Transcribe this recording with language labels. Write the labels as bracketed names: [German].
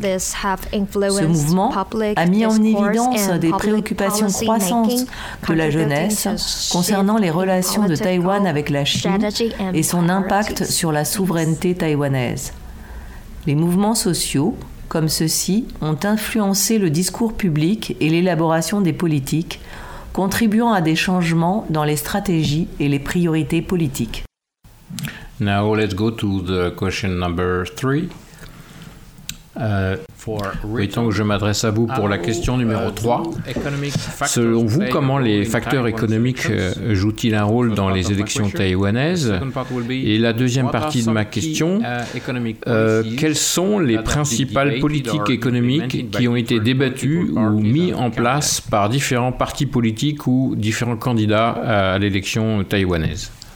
[French] Ce mouvement a mis en évidence des préoccupations croissantes de la jeunesse concernant les relations de Taïwan avec la Chine et son impact sur la souveraineté taïwanaise. Les mouvements sociaux, comme ceux-ci, ont influencé le discours public et l'élaboration des politiques, contribuant à des changements dans les stratégies et les priorités politiques. [English] Now let's go to the question number three. [French] Mettons que je m'adresse à vous pour la question numéro 3. Selon vous, comment les facteurs économiques jouent-ils un rôle dans les élections taïwanaises? Et la deuxième partie de ma question, quelles sont les principales politiques économiques qui ont été débattues ou mises en place par différents partis politiques ou différents candidats à l'élection taïwanaise?